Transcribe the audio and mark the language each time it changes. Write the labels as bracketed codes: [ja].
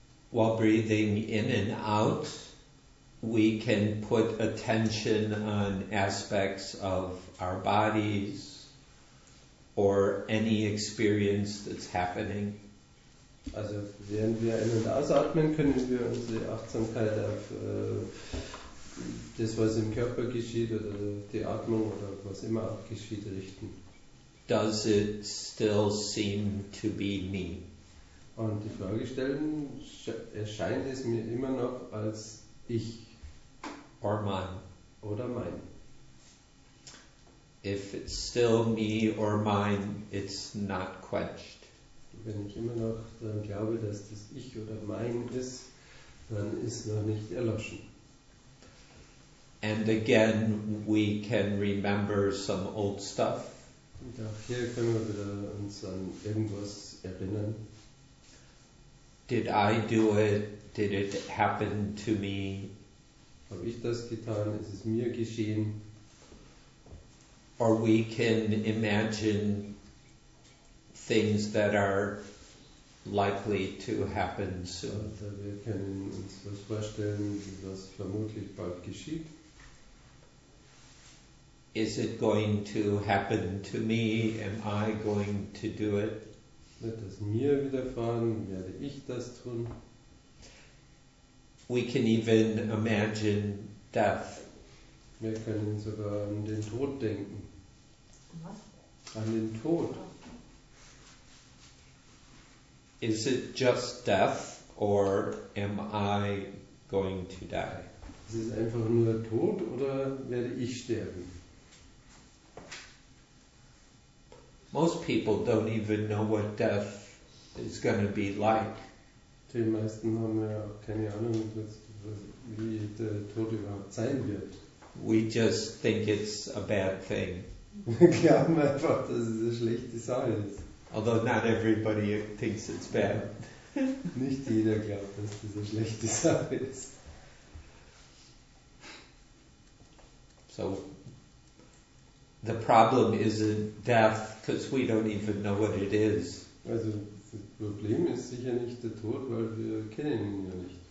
[en] While breathing in and out, we can put attention on aspects of our bodies or any experience that's happening. [de] Also während wir ein- und ausatmen, können wir unsere Achtsamkeit auf das, was im Körper geschieht, oder die Atmung oder was immer auch geschieht, richten. [en] Does it still seem to be me? [de] Und die Frage stellen, erscheint es mir immer noch als ich? [en] Or mine. [de] Oder mein. [en] If it's still me or mine, it's not quenched. [de] Wenn ich immer noch daran glaube, dass das ich oder mein ist, dann ist noch nicht erloschen. [en] And again, we can remember some old stuff. [de] Und auch hier können wir wieder uns an irgendwas erinnern. [en] Did I do it? Did it happen to me? [de] Habe ich das getan? Ist es mir geschehen? [en] Or we can imagine things that are likely to happen soon. [de] Also wir können uns was vorstellen, was vermutlich bald geschieht. [en] Is it going to happen to me? Am I going to do it? [de] Wird das mir widerfahren? Werde ich das tun? [en] We can even imagine death. [de] Wir können sogar an den Tod denken. An den Tod. [en] Is it just death, or am I going to die? [de] Ist es einfach nur Tod, oder werde ich sterben? [en] Most people don't even know what death is going to be like. [de] Die meisten haben ja auch keine Ahnung, wie der Tod überhaupt sein wird. [en] We just think it's a bad thing. [de] Wir glauben einfach, dass es eine schlechte Sache ist. [en] Although not everybody thinks it's bad. [de] Nicht jeder glaubt, dass das eine schlechte Sache ist. [en] So, the problem isn't death, because we don't even know what it is. [de] Also, das Problem ist sicher nicht der Tod, weil wir kennen ihn ja nicht.